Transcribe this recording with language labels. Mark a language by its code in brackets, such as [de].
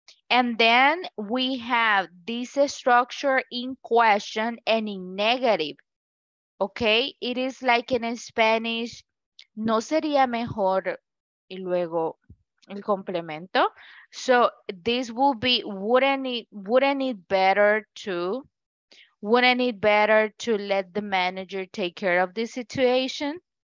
[en] And then we have this structure in question and in negative, okay? It is like in Spanish, [es] no sería mejor, y luego el complemento. [en] So this will be, wouldn't it better to, wouldn't it better to let the manager take care of this situation?